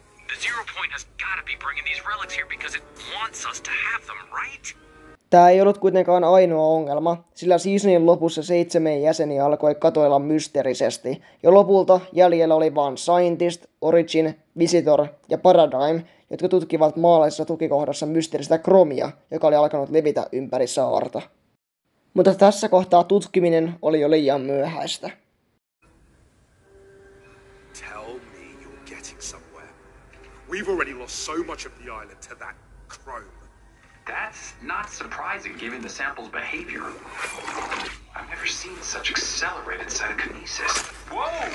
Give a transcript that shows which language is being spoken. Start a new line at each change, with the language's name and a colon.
English: The Zero Point has gotta be bringing these relics here because it wants us to have them, right?
Finnish: Tämä ei ollut kuitenkaan ainoa ongelma, sillä seasonin lopussa 7 jäseniä alkoi katoilla mysteerisesti, ja lopulta jäljellä oli vain Scientist, Origin, Visitor ja Paradigm, jotka tutkivat maalaisessa tukikohdassa mysteeristä kromia, joka oli alkanut levitä ympäri saarta. Mutta tässä kohtaa tutkiminen oli jo liian myöhäistä.
English: Tell me you're getting somewhere. We've already lost so much of the island to that chrome. That's not surprising given the sample's behavior. I've never seen such accelerated cytokinesis. Whoa!